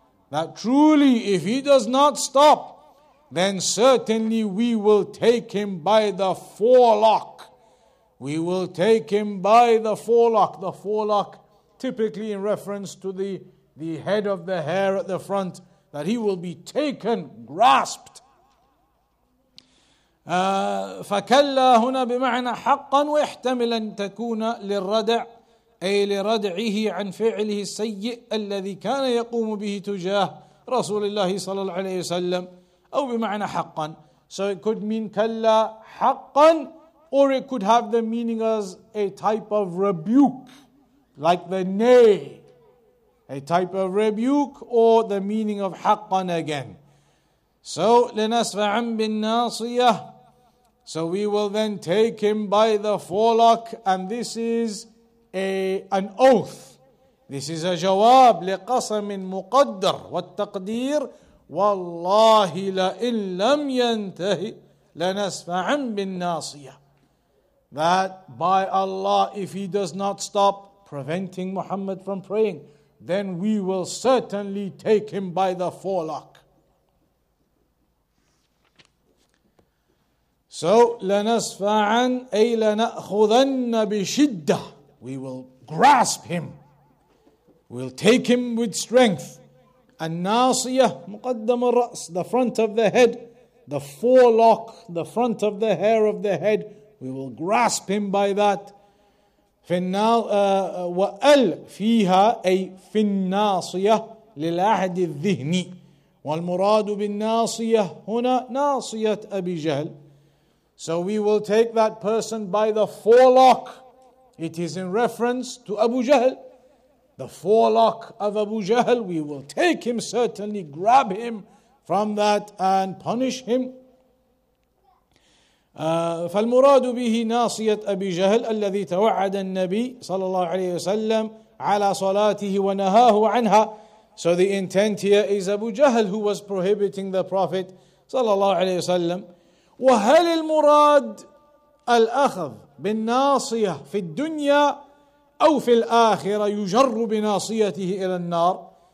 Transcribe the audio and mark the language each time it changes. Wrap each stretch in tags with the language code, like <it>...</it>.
<en>That truly, if he does not stop, then certainly we will take him by the forelock. We will take him by the forelock. The forelock, typically in reference to the head of the hair at the front, that he will be taken, grasped.</en> <ar>فَكَلَّا هُنَا بِمَعْنَى حَقًّا وَإِحْتَمِلَ أَنْ تَكُونَ لِلرَّدَعِ أي لردعه عن فعله السيء الذي كان يقوم به تجاه رسول الله صلى الله عليه وسلم أو بمعنى حقا.</ar> <en>So it could mean</en> <ar>كلا حقا,</ar> <en>or it could have the meaning as a type of rebuke, like the nay, a type of rebuke, or the meaning of حقا again.</en> <ar>So لنسفعا بالناصية.</ar> <en>So we will then take him by the forelock, and this is an oath. This is a jawab</en> <ar>لقسم مقدر والتقدير والله لئن لم ينتهي لنسفعا بالناصية.</ar> <en>That by Allah, if he does not stop preventing Muhammad from praying, then we will certainly take him by the forelock.</en> <ar>So لنسفعا أي لنأخذن بشدة.</ar> <en>We will grasp him. We'll take him with strength.</en> <ar>النَّاصِيَةُ مُقَدَّمُ الرَّأْسِ.</ar> <en>The front of the head, the forelock, the front of the hair of the head. We will grasp him by that.</en> <ar>وَأَلْ فِيهَا أَيْ فِي النَّاصِيَةِ لِلْأَحْدِ الذِّهْنِ. وَالْمُرَادُ بِالنَّاصِيَةِ هُنَا نَاصِيَةُ أَبِي جَهْلٍ.</ar> <en>So we will take that person by the forelock. It is in reference to Abu Jahl, the forelock of Abu Jahl. We will take him, certainly grab him from that and punish him.</en> <ar>فالمراد به ناصية أبي جهل الذي توعد النبي صلى الله عليه وسلم على صلاته ونهاه عنها.</ar> <en>So the intent here is Abu Jahl, who was prohibiting the Prophet صلى الله عليه وسلم.</en> <ar>وهل المراد الأخذ بالناصية في الدنيا أو في الآخرة يجر بناصيته إلى النار.</ar>